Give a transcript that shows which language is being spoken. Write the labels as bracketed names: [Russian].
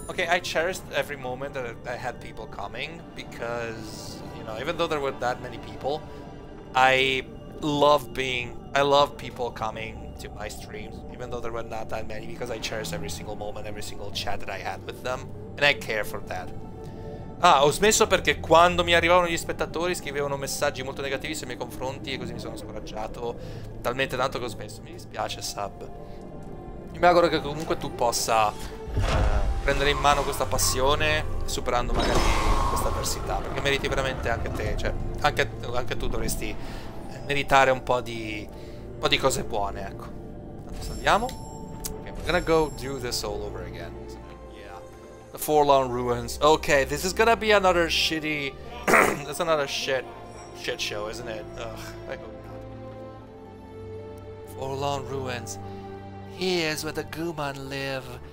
[English] Ok, I cherished every moment that I had people coming, because, you know, even though there were that many people, I love people coming to my streams, even though there were not that many, because I cherish every single moment, every single chat that I had with them, and I care for that. [Italian] Ah, ho smesso perché quando mi arrivavano gli spettatori scrivevano messaggi molto negativi sui miei confronti e così mi sono scoraggiato talmente tanto che ho smesso. Mi dispiace, Sab. Mi auguro che comunque tu possa prendere in mano questa passione, superando magari questa avversità, perché meriti veramente anche te, cioè anche tu dovresti meritare un po' di cose buone, ecco. Tanto salviamo. [English] Okay, we're gonna go do this all over again. The Forlorn Ruins. Okay, this is gonna be another shitty... that's another shit show, isn't it? Ugh, I hope not. Forlorn Ruins. Here's where the Guman live.